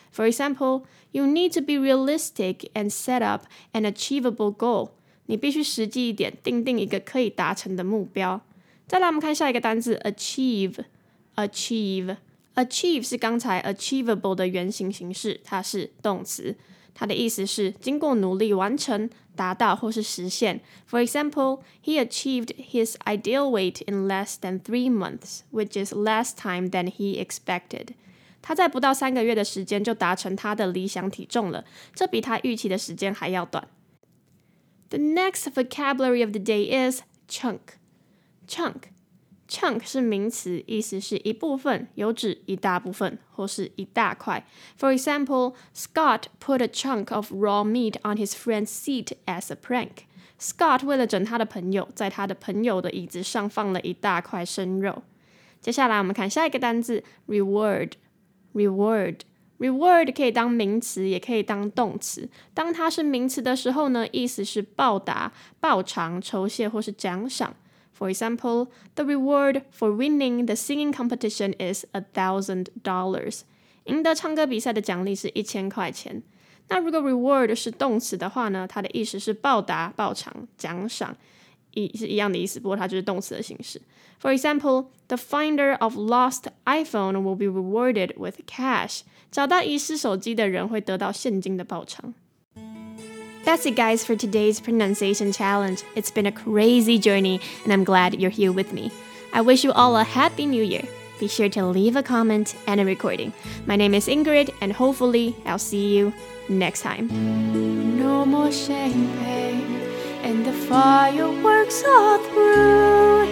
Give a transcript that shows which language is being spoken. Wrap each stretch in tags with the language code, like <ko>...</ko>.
<en>For example, you need to be realistic and set up an achievable goal.</en> <zh>你必须实际一点，定定一个可以达成的目标。再来我们看下一个单字 Achieve Achieve 是刚才 achievable 的原型形式，它是动词，它的意思是经过努力完成、达到或是实现。</zh> <en>For example, he achieved his ideal weight in less than 3 months, which is less time than he expected.</en> <zh>他在不到三个月的时间就达成他的理想体重了，这比他预期的时间还要短。</zh> <en>The next vocabulary of the day is chunk</en> <zh>是名词，意思是一部分，有指一大部分或是一大块。</zh> <en>For example, Scott put a chunk of raw meat on his friend's seat as a prank.</en> <zh>Scott 为了整他的朋友，在他的朋友的椅子上放了一大块生肉。接下来我们看下一个单字 reward 可以当名词，也可以当动词。当它是名词的时候呢，意思是报答、报偿、酬谢或是奖赏。</zh> <en>For example, the reward for winning the singing competition is $1,000.</en> <zh>赢得唱歌比赛的奖励是$1,000. 那如果 reward 是动词的话呢，它的意思是报答、报偿、奖赏，是一样的意思，不过它就是动词的形式。</zh> <en>For example, the finder of lost iPhone will be rewarded with cash.</en> <zh>找到遗失手机的人会得到现金的报偿。</zh> <en>That's it guys for today's pronunciation challenge. It's been a crazy journey and I'm glad you're here with me. I wish you all a happy new year. Be sure to leave a comment and a recording. My name is Ingrid and hopefully I'll see you next time. No more champagne and the fireworks all through.</en>